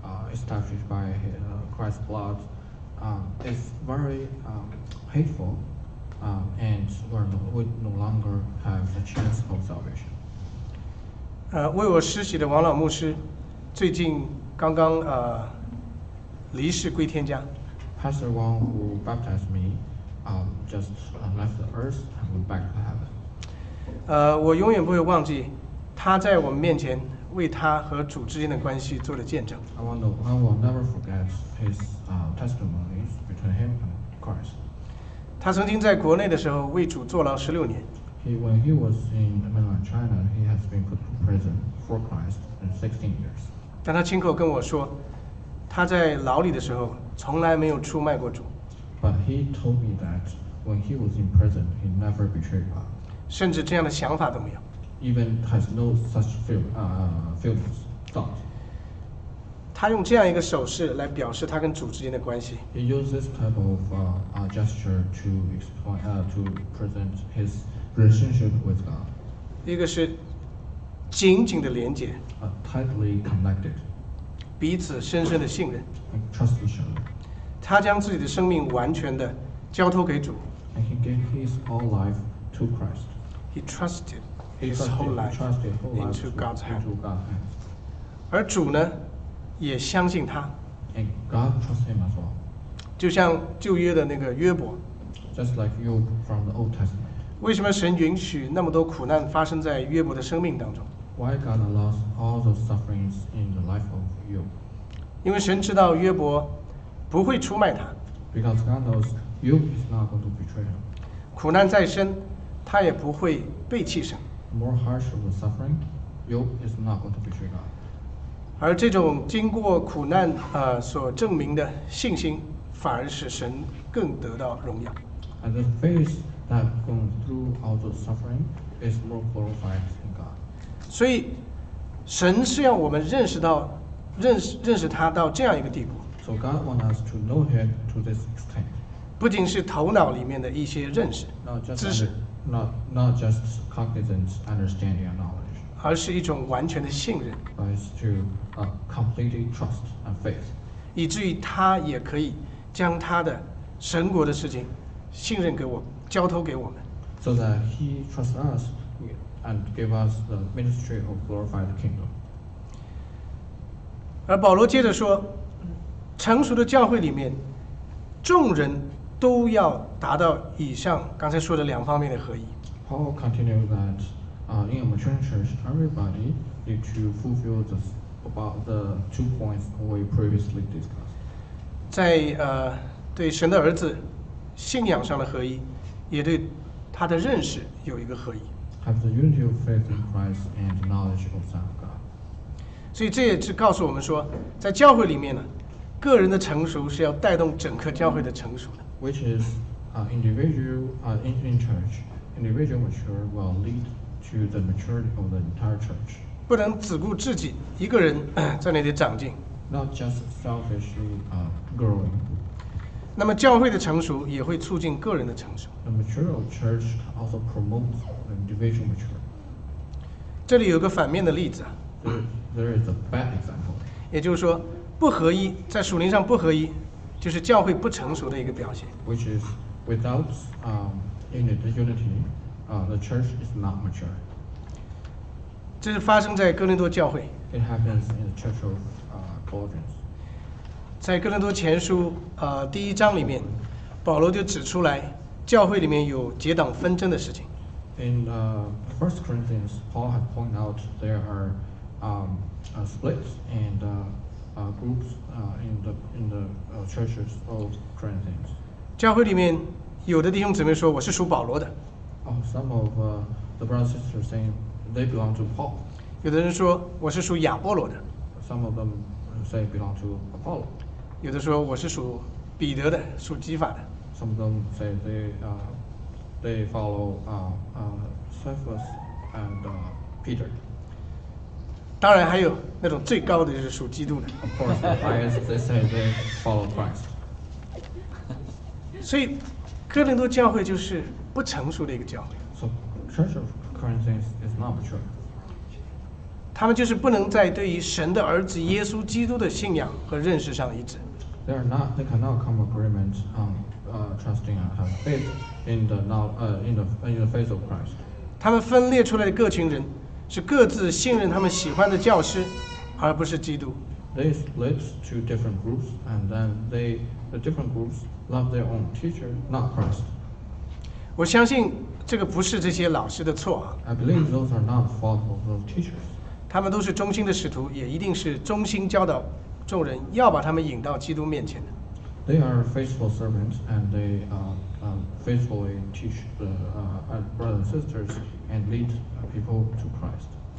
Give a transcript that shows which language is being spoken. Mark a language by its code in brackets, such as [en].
[en] Established by Christ's blood, is very hateful, and we no longer have the chance of salvation. [zh] 为我施洗的王老牧师，最近刚刚离世归天家。 [en] Pastor Wang who baptized me, just left the earth and went back to heaven. [zh] 我永远不会忘记他在我们面前。为他和主之间的关系做了见证。 [en] I will never forget his testimonies between him and Christ. [zh] 他曾经在国内的时候为主坐牢16年。 [en] When he was in mainland China, he has been put to prison for Christ in 16 years. [zh] 但他亲口跟我说，他在牢里的时候从来没有出卖过主。 [en] But he told me that when he was in prison, he never betrayed God. [zh] 甚至这样的想法都没有。 [en] Even has no such feelings, thoughts. [zh] 他用这样一个手势来表示他跟主之间的关系。 [en] He used this type of gesture to explain, to present his relationship with God. [zh] 一个是紧紧的连接。 [en] Tightly connected. [zh] 彼此深深的信任。 [en] And trust each other. [zh] 他将自己的生命完全的交托给主。 [en] And he gave his whole life to Christ. He trusted. His whole life into God's hand. [zh] 而主呢，也相信他。 [en] And God trusts him as well. [zh] 就像旧约的那个约伯。 [en] Just like you from the Old Testament. [zh] 为什么神允许那么多苦难发生在约伯的生命当中 [en] ？Why God allows all the sufferings in the life of you? [zh] 因为神知道约伯不会出卖他。 [en] Because God knows you is not going to betray him. [zh] 苦难再深，他也不会背弃神。 [en] More harsh of the suffering, Yoke is not going to betray God. [zh] 而这种经过苦难所证明的信心，反而使神更得到荣耀。 [en] And the faith that goes through all the suffering is more glorified than God. [zh] 所以，神是要我们认识到、认识他到这样一个地步。 [en] So God wants us to know Him to this extent. [zh] 不仅是头脑里面的一些认识、知识。 [en] Not just cognizance, understanding, and knowledge. [zh] 而是一种完全的信任。 [en] But it's to a completely trust and faith. [zh] 以至于他也可以将他的神国的事情信任给我，交托给我们。 [en] So that He trusts us and gave us the ministry of glorified kingdom. [zh] 而保罗接着说，成熟的教会里面，众人都要达到以上刚才说的两方面的合一。 [en] Paul continued that, in a mature church, everybody need to fulfill the about the two points we previously discussed. [zh] 在对神的儿子信仰上的合一，也对他的认识有一个合一。 [en] Have the unity of faith in Christ and knowledge of Son of God. [zh] 所以这也是告诉我们说，在教会里面呢，个人的成熟是要带动整个教会的成熟的。 [en] Which is in church, individual mature will lead to the maturity of the entire church. [zh] 不能只顾自己一个人在那里长进。 [en] Not just selfishly growing. [zh] 那么教会的成熟也会促进个人的成熟。 [en] The maturity of church also promotes the individual maturity. [zh] 这里有个反面的例子。 [en] There is a bad example. [zh] 也就是说，不合一，在属灵上不合一，就是教会不成熟的一个表现。 [en] Which is without unity, the church is not mature. [zh] 这是发生在哥林多教会。 [en] It happens in the church of Colossians. [zh] 在哥林多前书第一章里面，保罗就指出来教会里面有结党纷争的事情。 [en] In First Corinthians, Paul had pointed out there are splits and groups in the churches of Corinthians. [zh] 教会里面有的弟兄姊妹说我是属保罗的。 [en] Some of the brothers and sisters saying they belong to Paul. [zh] 有的人说我是属亚波罗的。 [en] Some of them say belong to Apollo. [zh] 有的说我是属彼得的，属基法的。 [en] Some of them say they follow Cephas and Peter. [zh] 当然还有那种最高的就是属基督的。 [en] Of course, the highest they say they follow Christ. [zh] 所以哥林多教会就是不成熟的一个教会。 [en] So Church of Corinthians is not mature. [zh] 他们就是不能在对于神的儿子耶稣基督的信仰和认识上一致。 [en] They are not. They cannot come agreement on trusting and have faith in the now in the faith of Christ. [zh] 他们分裂出来的各群人，是各自信任他们喜欢的教师，而不是基督。 [en] They split to different groups, and then the different groups love their own teacher, not Christ. [zh] 我相信这个不是这些老师的错。 [en] I believe those are not the fault of those teachers. [zh] 他们都是忠心的使徒，也一定是忠心教导众人，要把他们引到基督面前的。 [en] They are faithful servants, and they faithfully teach the brothers and sisters and lead people to Christ.